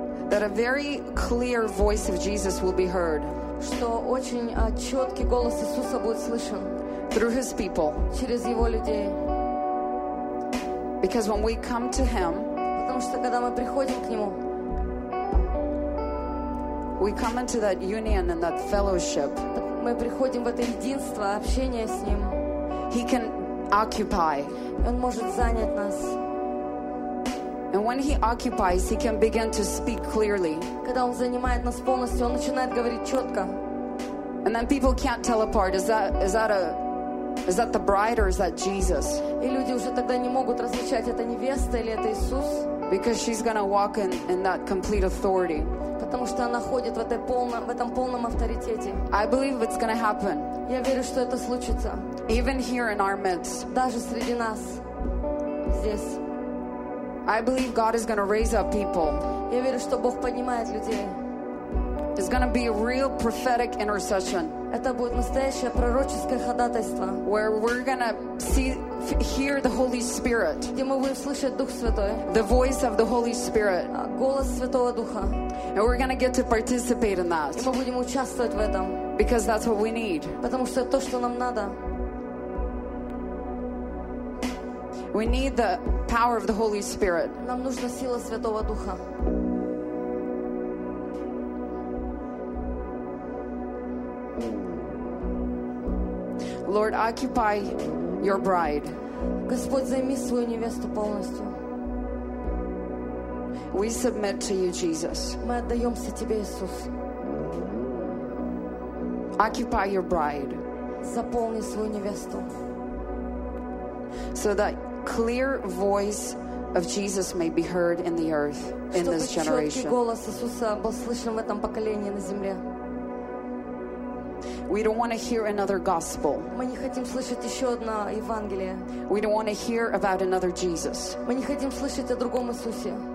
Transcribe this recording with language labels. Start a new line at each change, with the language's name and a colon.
English: that a very clear voice of Jesus will be heard.
Russian: Что очень четкий голос Иисуса будет слышен.
English: Through His people.
Russian: Через Его людей.
English: Because when we come to Him,
Russian: потому что когда мы приходим к Нему,
English: we come into that union and that fellowship.
Russian: Мы приходим в это единство, общение с Ним.
English: He can occupy.
Russian: Он может занять нас.
English: And when he occupies, he can begin to speak clearly.
Russian: Когда он занимает нас полностью, он начинает говорить четко.
English: And then people can't tell apart. Is that the bride or is that Jesus?
Russian: И люди уже тогда не могут различать, это невеста или это Иисус.
English: Because she's gonna walk in that complete authority.
Russian: Потому что она ходит в этом полном авторитете.
English: I believe it's gonna happen.
Russian: Я верю, что это случится.
English: Even here in our midst.
Russian: Даже среди нас здесь.
English: I believe God is going to raise up people.
Russian: Я верю, что Бог поднимает людей.
English: It's going to be a real prophetic intercession.
Russian: Это будет настоящее пророческое ходатайство.
English: Where we're going to hear the Holy Spirit.
Russian: Где мы будем слышать Дух Святой.
English: The voice of the Holy Spirit.
Russian: Голос Святого Духа.
English: And we're going to get to participate in that.
Russian: И мы будем участвовать в этом.
English: Because that's what we need.
Russian: Потому что это то, что нам надо.
English: We need the power of the Holy Spirit.
Russian: Нам нужна сила Святого Духа.
English: Lord, occupy your bride.
Russian: Господь, займи свою невесту полностью.
English: We submit to you, Jesus.
Russian: Мы отдаемся тебе, Иисус.
English: Occupy your bride.
Russian: Заполни свою невесту.
English: So that clear voice of Jesus may be heard in the earth in this generation.
Russian: Чтобы четкий голос Иисуса был слышен в этом поколении на земле.
English: We don't want to hear another gospel.
Russian: Мы не хотим слышать еще одно Евангелие.
English: We don't want to hear about another Jesus.
Russian: Мы не хотим слышать о другом Иисусе.